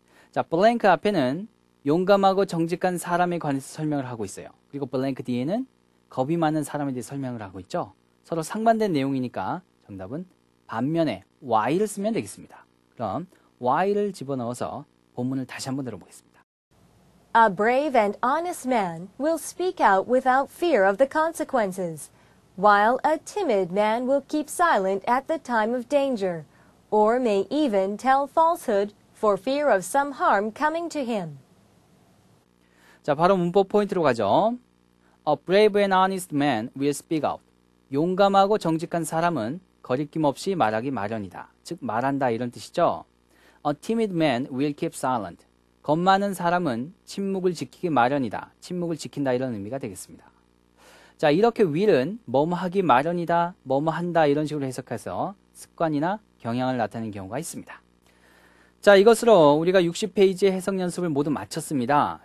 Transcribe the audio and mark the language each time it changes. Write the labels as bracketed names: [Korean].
[Korean] 자, blank 앞에는 용감하고 정직한 사람에 관해서 설명을 하고 있어요. 그리고 blank 뒤에는 겁이 많은 사람에 대해 설명을 하고 있죠. 서로 상반된 내용이니까 정답은 반면에 why를 쓰면 되겠습니다. 그럼 why를 집어넣어서 본문을 다시 한번 들어보겠습니다. [English] A brave and honest man will speak out without fear of the consequences. While a timid man will keep silent at the time of danger, or may even tell falsehood for fear of some harm coming to him. [Korean] 자, 바로 문법 포인트로 가죠. [English] A brave and honest man will speak out. [Korean] 용감하고 정직한 사람은 거리낌 없이 말하기 마련이다. 즉, 말한다 이런 뜻이죠. [English] A timid man will keep silent. [Korean] 겁 많은 사람은 침묵을 지키기 마련이다. 침묵을 지킨다 이런 의미가 되겠습니다. 자, 이렇게 will은 뭐뭐 하기 마련이다, 뭐뭐 한다 이런 식으로 해석해서 습관이나 경향을 나타내는 경우가 있습니다. 자, 이것으로 우리가 60페이지의 해석 연습을 모두 마쳤습니다.